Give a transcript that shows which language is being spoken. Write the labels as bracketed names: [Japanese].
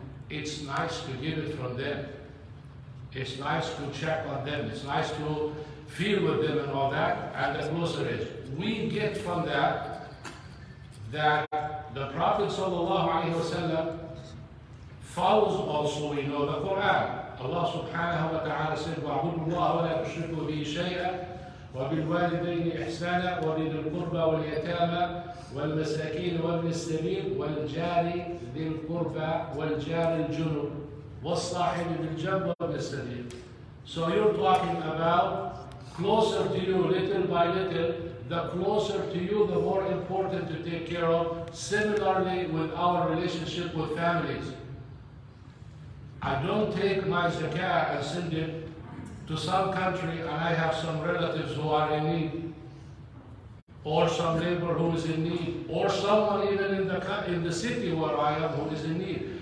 [English] It's nice to give it from them. It's nice to check on them. It's nice to feel with them and all that. And the closer it is. We get from that, that the Prophet sallallahu alayhi wa sallam follows also, we know the Quran. Allah subhanahu wa ta'ala said, [Arabic] وَعْبُدُ اللَّهَ وَلَا تُشْرِكُوا بِهِ شَيْئًا وَبِالْوَالِدَيْنِ إِحْسَانًا وَبِذِي الْقُرْبَى وَالْيَتَامَى وَالْمَسَاكِينِ وَابْنِ السَّبِيلِ وَالْجَارِ ذِي الْقُرْبَى وَالْجَارِ الْجُنُبِ وَالصَّاحِبِ بِالْجَنْبِ وَابْنِ السَّبِيلِ. [English] So you're talking about closer to you, little by little, the closer to you, the more important to take care of. Similarly with our relationship with families. I don't take my zakah and send it to some country and I have some relatives who are in need, or some neighbor who is in need, or someone even in the city where I am who is in need.